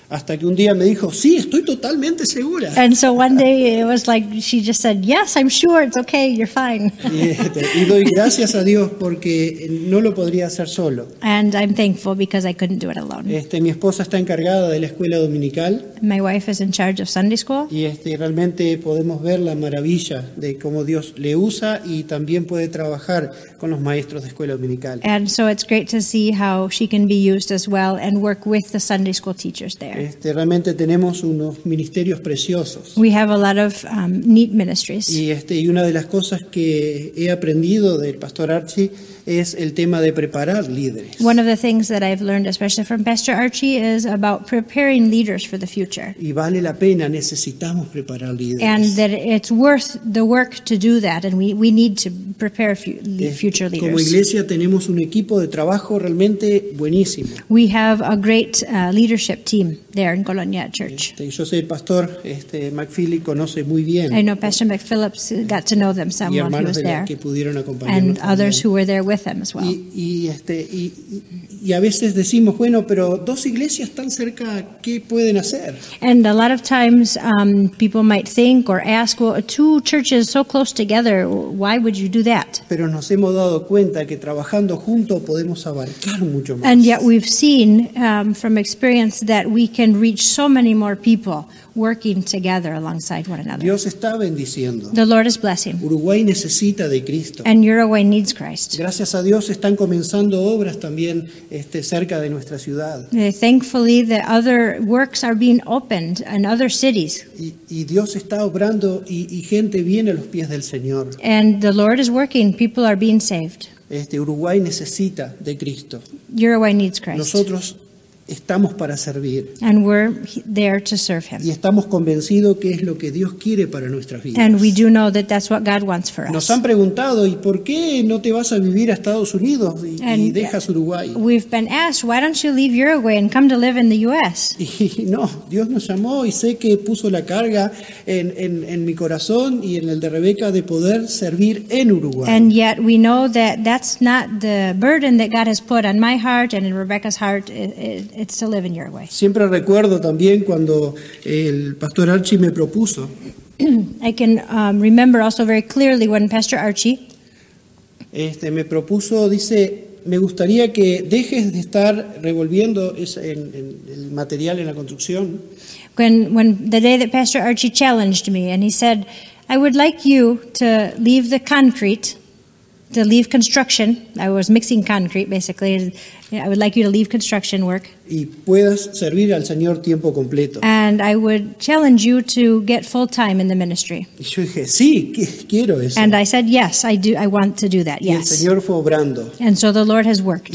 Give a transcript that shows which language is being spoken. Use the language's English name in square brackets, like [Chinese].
[Spanish] Hasta que un día me dijo, sí, estoy totalmente segura. [English] And so one day it was like she just said, yes, I'm sure, it's okay, you're fine. [Spanish] Y doy gracias a Dios porque no lo podría hacer solo. [English] And I'm thankful because I couldn't do it alone. [Spanish] Mi esposa está encargada de la escuela dominical. [English] My wife is in charge of Sunday school. [Spanish] Y realmente podemos ver la maravilla de cómo Dios le usa y también puede trabajar con los maestros de escuela dominical. [English] And so it's great to see how she can be used as well and work with the Sunday school teachers there. [Spanish] Realmente tenemos unos ministerios preciosos. [English] We have a lot of neat ministries. [Spanish] Y una de las cosas que he aprendido del Pastor Archie es el tema de preparar líderes. [English] One of the things that I've learned, especially from Pastor Archie, is about preparing leaders for the future. [Spanish] Y vale la pena, necesitamos preparar líderes. [English] And that it's worth the work to do that, and we need to prepare future leaders. [Spanish] Como iglesia tenemos un equipo de trabajo realmente buenísimo. [English] We have a great leadership team there in Colonia Church. [Spanish] Yo sé el pastor McPhilly conoce muy bien. [English] I know Pastor McPhillips got to know them some while he was there. [Spanish] Que pudieron acompañarnos [English] and [Spanish] también. [English] Others who were there with them as well. [Spanish] Y a veces decimos, bueno, pero dos iglesias tan cerca, ¿qué pueden hacer? [English] And a lot of times people might think or ask, well, two churches so close together, why would you do that? [Spanish] Pero nos hemos dado cuenta que trabajando juntos podemos abarcar mucho más. [English] And yet we've seen from experience that we can reach so many more people working together alongside one another. [Spanish] Dios está bendiciendo. [English] The Lord is blessing. [Spanish] Uruguay necesita de Cristo. [English] And Uruguay needs Christ. [Spanish] Gracias a Dios están comenzando obras también cerca de nuestra ciudad. [English] Thankfully, the other works are being opened in other cities. [Spanish] Y Dios está obrando y gente viene a los pies del Señor. [English] And the Lord is working. People are being saved. [Spanish] Uruguay necesita de Cristo. [English] Uruguay needs Christ. [Spanish] Nosotros estamos para servir. [English] And we're there to serve him. [Spanish] Y estamos convencidos que es lo que Dios quiere para nuestras vidas. [English] And we do know that that's what God wants for us. [Spanish] Nos han preguntado, ¿y por qué no te vas a vivir a Estados Unidos y dejas Uruguay? [English] We've been asked, why don't you leave Uruguay and come to live in the U.S.? [Spanish] Y no, Dios nos llamó y sé que puso la carga en mi corazón y en el de Rebeca de poder servir en Uruguay. [English] And yet we know that that's not the burden that God has put on my heart and in Rebecca's heart. It's to live in your way. [Spanish] Siempre recuerdo también cuando el Pastor Archie me propuso. [English] I can remember also very clearly when Pastor Archie [Spanish] me propuso, dice, me gustaría que dejes de estar revolviendo en el material en la construcción. [English] When the day that Pastor Archie challenged me and he said, I would like you to leave the concrete. To leave construction, I was mixing concrete basically. I would like you to leave construction work. [Spanish] Y puedas servir al Señor tiempo completo. [English] And I would challenge you to get full time in the ministry. [Spanish] Y yo dije, sí, quiero eso. [English] And I said, yes, I do. I want to do that. [Spanish] Y [English] yes. [Spanish] Y el Señor fue obrando. [English] And so the Lord has worked.